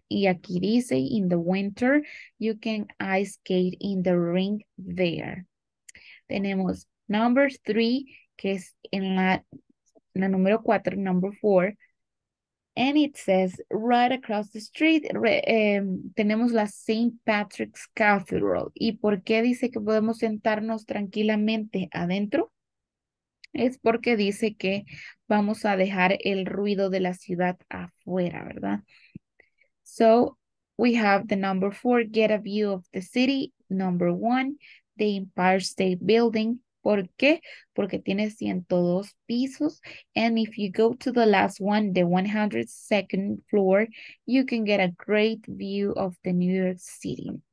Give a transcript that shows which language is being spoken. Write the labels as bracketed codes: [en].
[es] Y aquí dice, [en] in the winter, you can ice skate in the rink there. [es] Tenemos [en] number three, [es] que es en la número cuatro, [en] number four. And it says, right across the street, [es] tenemos la [en] St. [es] Patrick's Cathedral. ¿Y por qué dice que podemos sentarnos tranquilamente adentro? Es porque dice que vamos a dejar el ruido de la ciudad afuera, ¿verdad? [en] So, we have the number four, get a view of the city. Number one, the Empire State Building. [es] ¿Por qué? Porque tiene 102 pisos. [en] And if you go to the last one, the 102nd floor, you can get a great view of the New York City.